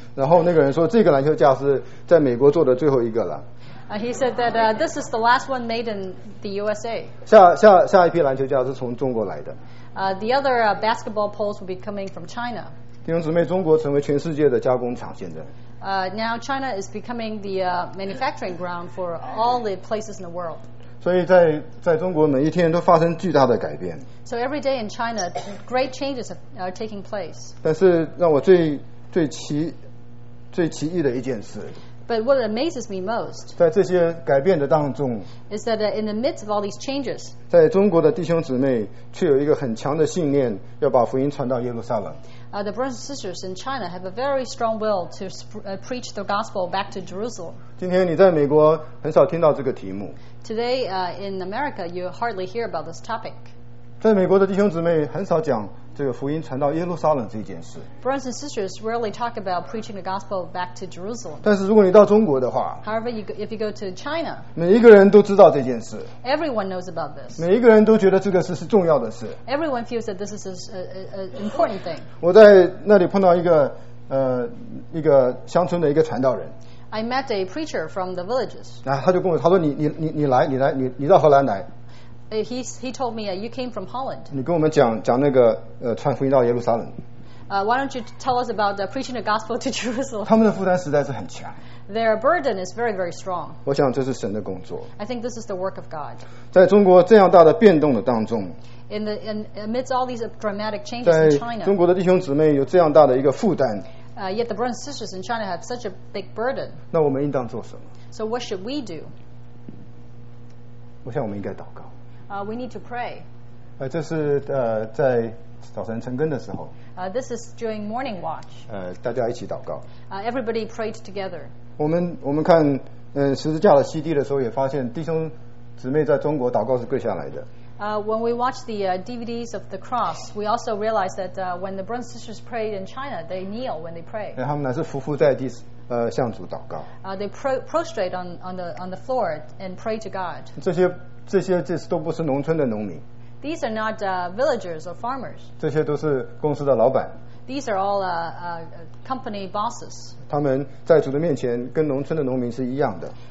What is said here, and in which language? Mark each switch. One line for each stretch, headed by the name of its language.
Chinese: 然后那个人说，这个篮球架是在美国做的最后一个了。
English: He said that this is the last one made in the USA.
Chinese: 下一批篮球架是从中国来的。
English: The other basketball poles will be coming from China.
Chinese: 弟兄姊妹，中国成为全世界的加工厂现在。
English: Now China is becoming the manufacturing ground for all the places in the world.
Chinese: 所以在中国每一天都发生巨大的改变。
English: So every day in China, great changes are taking place.
Chinese: 但是让我最奇异的一件事。
English: But what amazes me most,
Chinese: 在这些改变的当中，
English: is that in the midst of all these changes,
Chinese: 在中国的弟兄姊妹却有一个很强的信念，要把福音传到耶路撒冷。
English: The brothers and sisters in China have a very strong will to preach the gospel back to Jerusalem.
Chinese: 今天你在美国很少听到这个题目。
English: Today, in America, you hardly hear about this topic.
Chinese: 在美国的弟兄姊妹很少讲这个福音传到耶路撒冷这件事。
English: Brothers and sisters rarely talk about preaching the gospel back to Jerusalem.
Chinese: 但是如果你到中国的话，
English: However, if you go to China,
Chinese: 每一个人都知道这件事。
English: Everyone knows about this.
Chinese: 每一个人都觉得这个事是重要的事。
English: Everyone feels that this is an important thing.
Chinese: 我在那里碰到一个乡村的一个传道人。
English: I met a preacher from the villages.
Chinese: 他就跟我，他说你到荷兰来。
English: He told me you came from Holland.
Chinese: 你跟我们讲那个传福音到耶路撒冷。
English: Why don't you tell us about preaching the gospel to Jerusalem?
Chinese: 他们的负担实在是很强。
English: Their burden is very very strong.
Chinese: 我想这是神的工作。
English: I think this is the work of God.
Chinese: 在中国这样大的变动的当中。
English: In amidst all these dramatic changes in China.
Chinese: 在中国的弟兄姊妹有这样大的一个负担。
English: Yet the brothers and sisters in China have such a big burden.
Chinese: 那我们应当做什么？
English: So what should we do?
Chinese: 我想我们应该祷告。
English: We need to pray.
Chinese: 这是在早晨晨更的时候。
English: This is during morning watch.
Chinese: 大家一起祷告。
English: Everybody prayed together.
Chinese: 我们看十字架的 CD 的时候，也发现弟兄姊妹在中国祷告是跪下来的。
English: When we watched the DVDs of the cross, we also realized that when the brothers and sisters prayed in China, they kneel when they pray.
Chinese: 他们乃是匍匐在地。向主祷告。
English: They prostrate on the floor and pray to God.
Chinese: 这些都不是农村的农民。
English: These are not villagers or farmers.
Chinese: 这些都是公司的老板。
English: These are all company bosses.
Chinese: 他们在主的面前跟农村的农民是一样的。